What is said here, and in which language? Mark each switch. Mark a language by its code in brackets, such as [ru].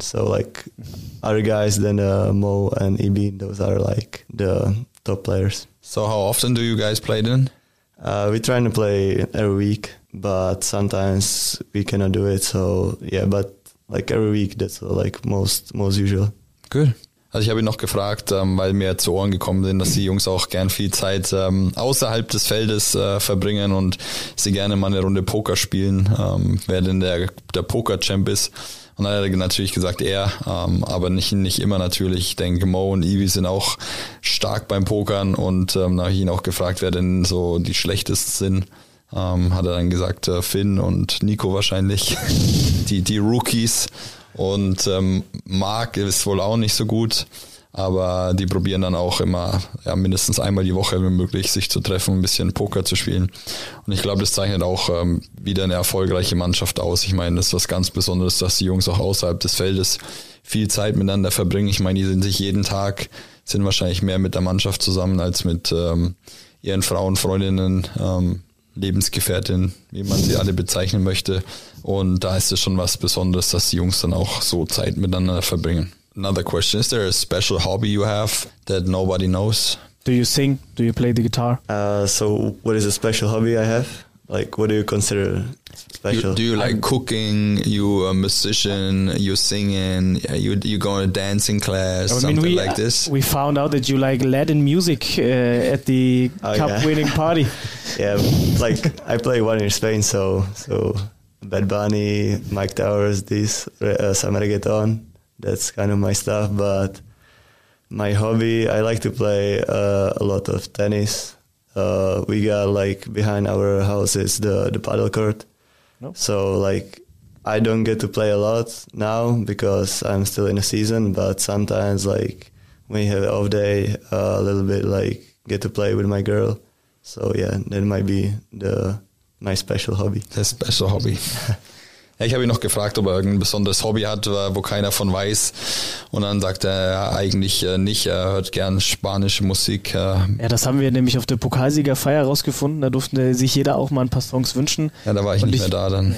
[en] So like other guys than Mo and EB, those are like the top players. So how often do you guys play then? We're trying to play every week, but sometimes we cannot do it. So yeah, but like every week, that's like most usual. Good. [de] Also ich habe ihn noch gefragt, weil mir zu Ohren gekommen sind, dass die Jungs auch gern viel Zeit außerhalb des Feldes verbringen und sie gerne mal eine Runde Poker spielen, wer denn der Poker-Champ ist. Und dann hat er natürlich gesagt, er, aber nicht immer natürlich. Ich denke, Mo und Ivy sind auch stark beim Pokern und dann habe ich ihn auch gefragt, wer denn so die schlechtesten sind. Hat er dann gesagt, Finn und Nico wahrscheinlich, die Rookies. Und Mark ist wohl auch nicht so gut, aber die probieren dann auch immer ja, mindestens einmal die Woche, wenn möglich, sich zu treffen, ein bisschen Poker zu spielen. Und ich glaube, das zeichnet auch wieder eine erfolgreiche Mannschaft aus. Ich meine, das ist was ganz Besonderes, dass die Jungs auch außerhalb des Feldes viel Zeit miteinander verbringen. Ich meine, die sind sich jeden Tag, sind wahrscheinlich mehr mit der Mannschaft zusammen als mit ihren Frauen, Freundinnen, Lebensgefährtin, wie man sie alle bezeichnen möchte. Und da ist es schon was Besonderes, dass die Jungs dann auch so Zeit miteinander verbringen. [en] Another question. Is there a special hobby you have that nobody knows? Do you sing? Do you play the guitar? So what is a special hobby I have? Like, what do you consider special? Do you like cooking? You a musician? You singing? You go to dancing class? This? We found out that you like Latin music at the cup-winning party. Yeah, like, I play one in Spain, so Bad Bunny, Mike Towers, this, some reggaeton. That's kind of my stuff, but my hobby, I like to play a lot of tennis. We got like behind our house is the paddle court. Nope. So like I don't get to play a lot now because I'm still in a season, but sometimes like when you have off day a little bit like get to play with my girl. So yeah, that might be my special hobby. The special hobby. [de] Ja, ich habe ihn noch gefragt, ob er irgendein besonderes Hobby hat, wo keiner von weiß. Und dann sagt er, ja, eigentlich nicht. Er hört gern spanische Musik. Ja, das haben wir nämlich auf der Pokalsiegerfeier rausgefunden. Da durfte sich jeder auch mal ein paar Songs wünschen. Ja, da war ich nicht mehr da dann.